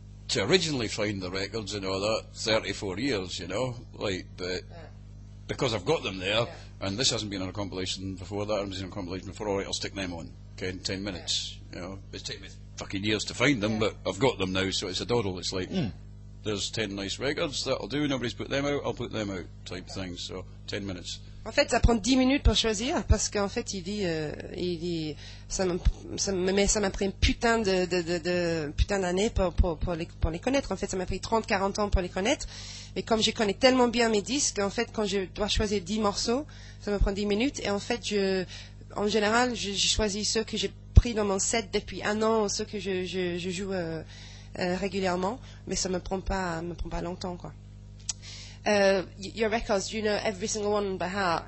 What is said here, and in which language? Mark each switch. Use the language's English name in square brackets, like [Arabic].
[English] To originally find the records and all that, 34 years, you know, like, but because I've got them there, and this hasn't been on a compilation before, that hasn't been on a compilation before, all right, I'll stick them on, okay, in 10 minutes, you know, it's taken me fucking years to find them, but I've got them now, so it's a doddle, it's like, there's 10 nice records, that'll do, nobody's put them out, I'll put them out, type thing, so 10 minutes. [French] En fait, ça prend 10 minutes pour choisir, parce qu'en fait, il dit, ça m'a pris une putain d'année pour les connaître. En fait, ça m'a pris 30, 40 ans pour les connaître. Mais comme je connais tellement bien mes disques, en fait, quand je dois choisir 10 morceaux, ça me prend 10 minutes. Et en fait, en général, je choisis ceux que j'ai pris dans mon set depuis un an, ceux que je joue régulièrement. Mais ça me prend pas longtemps, quoi. [English] Your records, you know every single one by heart.